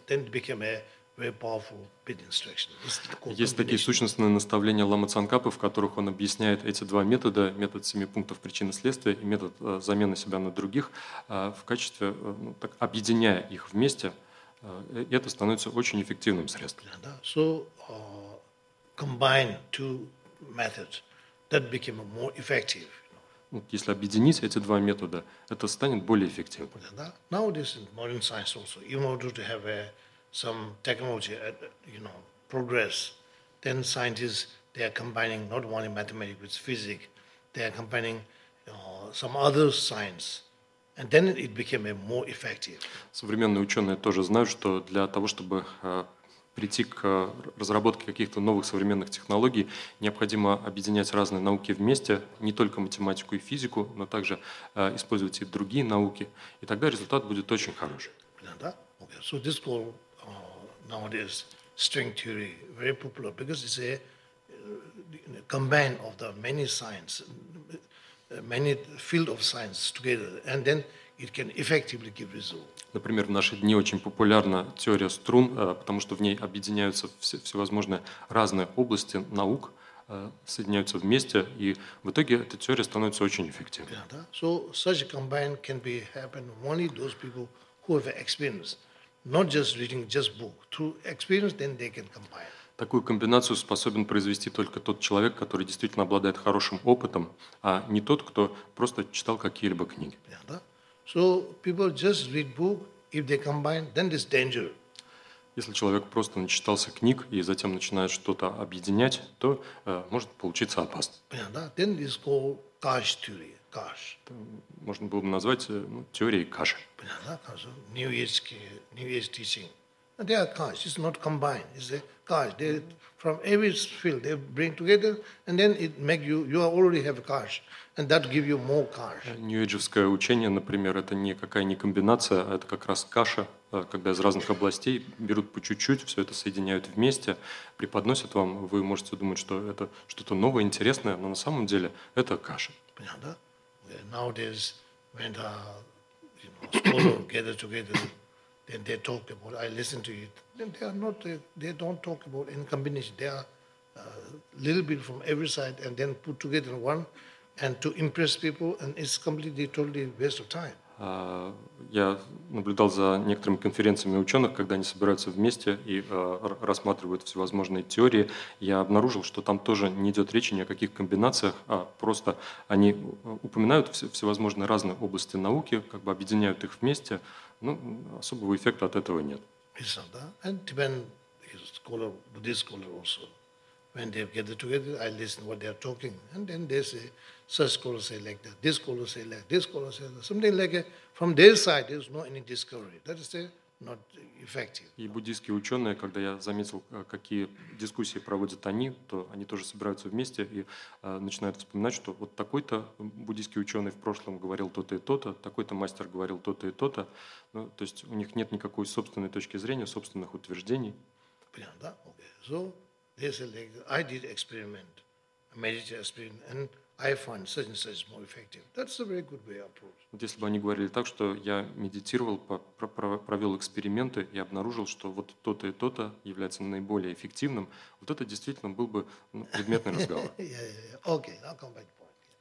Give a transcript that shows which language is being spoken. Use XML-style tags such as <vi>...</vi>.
<en>Then it became a very powerful repeat instruction.</en> <ru>Есть такие сущностные наставления Лама Цанкапы, в которых он объясняет эти два метода, метод семи пунктов причины-следствия и метод замены себя на других, в качестве, ну, так, объединяя их вместе, это становится очень эффективным средством.</ru> <en>Yeah,</en> <ru>да.</ru> <en>So, combine two methods, that became more effective.</en> <ru>Вот если объединить эти два метода, это станет более эффективным.</ru> <en>Now this is modern science also. Even if you have some technology, progress, then scientists, they are combining not only mathematics with physics, they are combining some other science. And then it became more effective.</en> <ru>Современные ученые тоже знают, что для того, чтобы прийти к разработке каких-то новых современных технологий, необходимо объединять разные науки вместе, не только математику и физику, но также использовать и другие науки, и тогда результат будет очень хороший. Да?</ru> <en>Okay. So this is called nowadays string theory, very popular, because it's a combine of the many science, many field of science together, and then it can effectively give results.</en> <ru>Например, в наши дни очень популярна теория струн, потому что в ней объединяются всевозможные разные области наук, соединяются вместе, и в итоге эта теория становится очень эффективной.</ru> <en>Yeah, so such a combine can be happen only those people who have experience, not just reading just book. Through experience, then they can combine.</en> <ru>Такую комбинацию способен произвести только тот человек, который действительно обладает хорошим опытом, а не тот, кто просто читал какие-либо книги.</ru> <en>Yeah,</en> <ru>да?</ru> <en>So people just read book, if they combine, then there's danger.</en> <ru>Если человек просто начитался книг и затем начинает что-то объединять, то может получиться опасно.</ru> <en>Yeah,</en> <ru>да?</ru> <en>Then it's called cache theory, cache.</en> <ru>Можно было бы назвать теорией каши.</ru> <en>Yeah,</en> <ru>да?</ru> <en>New age teaching. And they are cache, it's not combined, it's a cache. They from every field, they bring together, and then it make you already have a cache. And that give you more cash.</en> <ru>Нью-эйджевское учение, например, это никакая не комбинация, а это как раз каша, когда из разных областей берут по чуть-чуть, все это соединяют вместе, преподносят вам, вы можете думать, что это что-то новое, интересное, но на самом деле это каша. Понятно, да?</ru> <en>Nowadays, when the scholars gather together, then they talk about, I listen to it, then they are not, they don't talk about any combination, they are a little bit from every side, and then put together in one, and to impress people, and it's completely, totally waste of time.</en> <ru>Я наблюдал за некоторыми конференциями ученых, когда они собираются вместе и рассматривают всевозможные теории. Я обнаружил, что там тоже не идет речи ни о каких комбинациях, а просто они упоминают всевозможные разные области науки, как бы объединяют их вместе. Ну, особого эффекта от этого нет.</ru> <en>And Tibetan scholar, Buddhist scholar also, when they gather together, I listen what they are talking, and then they say, such scholars say like that, this scholar say like this scholar say that. Something like that. From their side, there's not any discovery. That is not effective.</en> <ru>И буддийские ученые, когда я заметил, какие дискуссии проводят они, то они тоже собираются вместе и начинают вспоминать, что вот такой-то буддийский ученый в прошлом говорил то-то и то-то, такой-то мастер говорил то-то и то-то. Ну, то есть у них нет никакой собственной точки зрения, собственных утверждений. Понятно, да?</ru> <en>Okay. So, they say like, I did experiment, a meditative experiment, and I find such and such more effective. That's a very good way of approach.</en> <ru>Вот если бы они говорили так, что я медитировал, провел эксперименты и обнаружил, что вот то-то и то-то является наиболее эффективным, вот это действительно был бы предметный разговор.</ru> <en>Yeah. Okay, I'll come back to the point. Yeah.</en>